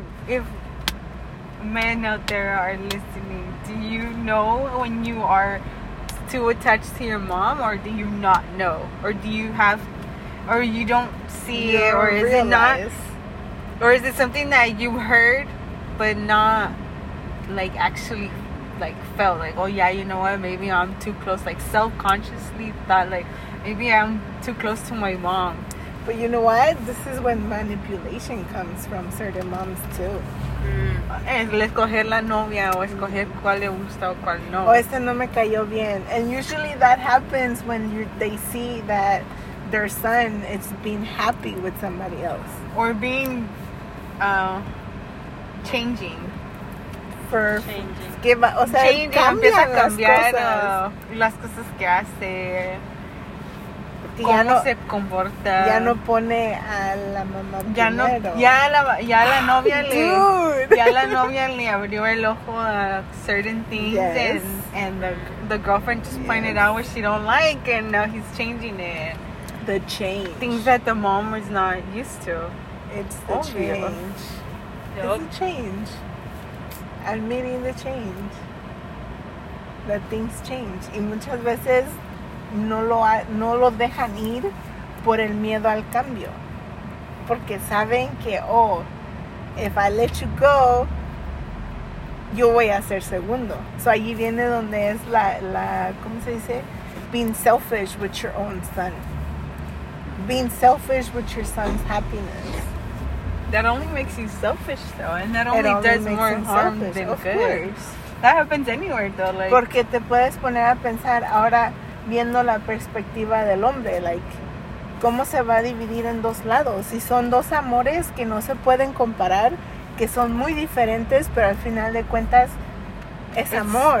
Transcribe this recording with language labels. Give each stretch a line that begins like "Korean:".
English: If men out there are listening, do you know when you are too attached to your mom, or do you not know, or do you have, or you don't see it, or is it not, or is it something that you heard but not, like, actually, like, felt, like, oh yeah, you know what, maybe I'm too close, like, self-consciously thought, like, maybe I'm too close to my mom. But you know what? This is when manipulation comes from certain moms, too.
Spanish: Es escoger la novia, o escoger cuál le gusta o cuál no. O este no me cayó bien.
English: And usually that happens when they see that their son is being happy with somebody else. Or being changing. For changing.
Spanish: Que va, o sea,
English: changing,
Spanish: empieza a cambiar las cosas que hace. Ya no se comporta. Ya no pone a la mamá ya primero. Ya la novia le abrió el ojo a
English: certain things. Yes. And the girlfriend just pointed out what she don't like, and now he's changing it. The change. Things that the mom was not used to. It's the change. It's the change. Admitting the change. That things change.
Spanish: Y muchas veces no lo dejan ir por el miedo al cambio, porque saben que,
English: oh, if I let you go,
Spanish: yo voy a ser segundo. So allí viene donde es la ¿cómo se dice?
English: Being selfish with your own son, being selfish with your son's happiness. That only makes you selfish, though, and that only does more harm than good. Course. That happens anywhere, though. Like,
Spanish: porque te puedes poner a pensar ahora, viendo la perspectiva del hombre, like, ¿cómo se va a dividir en dos lados? Si son dos amores que no se pueden comparar, que son muy diferentes, pero al final de cuentas, es amor.